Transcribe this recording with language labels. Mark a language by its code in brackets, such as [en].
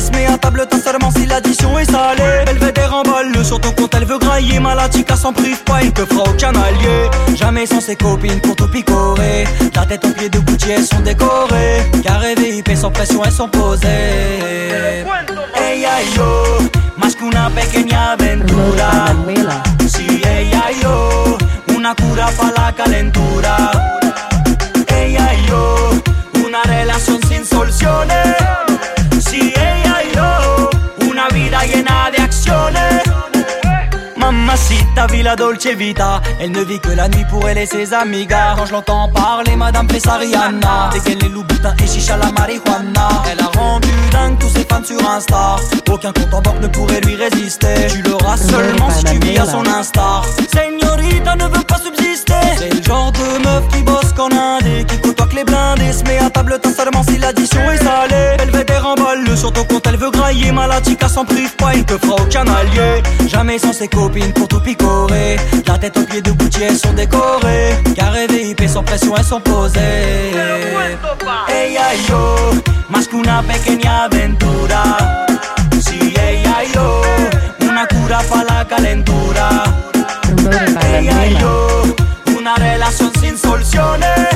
[fr] Se met à table, t'as seulement si l'addition est salée. Elle veut des remballes, sur ton compte, elle veut grailler. Malatica s'en prive pas, il te fera aucun allié. Jamais sans ses copines pour tout picorer. Ta tête aux pieds de Gucci, elles sont décorées. Carré VIP sans pression, elles sont posées. [es] Hey yo, más que una pequeña aventura. Si sí, hey yo, una cura pa la calentura. Hey yo, una relación sin soluciones. Si sí, hey yo, una vida llena de acciones. [fr] Mamacita, vit la dolce vita. Elle ne vit que la nuit pour elle et ses amigas. Quand je l'entends parler, madame fait sa Rihanna. Dès qu'elle est louboutin et chicha la marijuana. Elle a rendu dingue tous ses fans sur Insta. Aucun compte en banque ne pourrait lui résister. Tu l'auras seulement si tu vis à son Insta. Señorita ne veut pas subsister. C'est le genre de meuf qui bosse qu'en indé. Qui côtoie que les blindés. Se met à table t'as seulement si l'addition est salée. Elle veut des remballes sur ton compte, elle veut grailler. Malatica s'en prive pas, il te fera aucun allié. Jamais sans ses copains pour tout picorer. La tête aux pieds de Gucci, elles sont décorées. Carré VIP sans pression, elles sont posées. [es] Hey yo, más que una pequeña aventura. Si sí, hey yo, una cura pa la calentura. Hey yo, una relación sin soluciones.